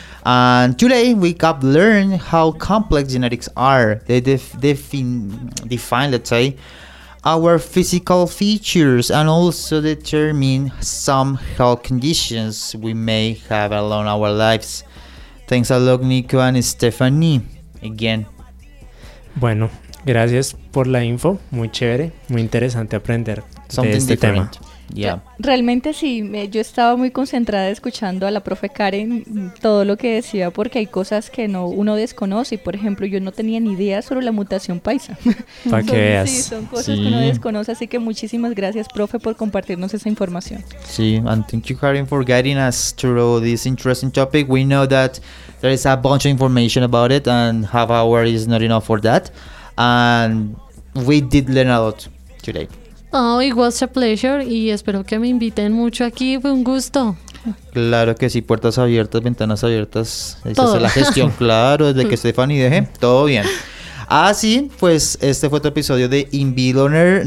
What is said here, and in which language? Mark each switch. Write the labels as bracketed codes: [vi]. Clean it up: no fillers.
[en] And today we got to learn how complex genetics are. They define, let's say, our physical features and also determine some health conditions we may have along our lives. Thanks a lot, Nico and Stephanie, again. [es] Bueno, gracias por la info. Muy chévere, muy interesante aprender de este tema. [en] Something different. Yeah. [es] Realmente sí, yo estaba muy concentrada escuchando a la profe Karen todo lo que decía, porque hay cosas que no uno desconoce, y por ejemplo yo no tenía ni idea sobre la mutación paisa. Para que veas. Sí, son cosas sí. que uno desconoce, así que muchísimas gracias, profe, por compartirnos esa información. [en] Sí, and thank you, Karen, for guiding us through this interesting topic. We know that there is a bunch of information about it and half hour is not enough for that, and we did learn a lot today. Oh, it was a pleasure, [es] y espero que me inviten mucho aquí, fue un gusto. Claro que sí, puertas abiertas, ventanas abiertas, esa es la gestión, claro, desde que Stephanie deje, todo bien. Así, pues este fue otro episodio de InVLearner.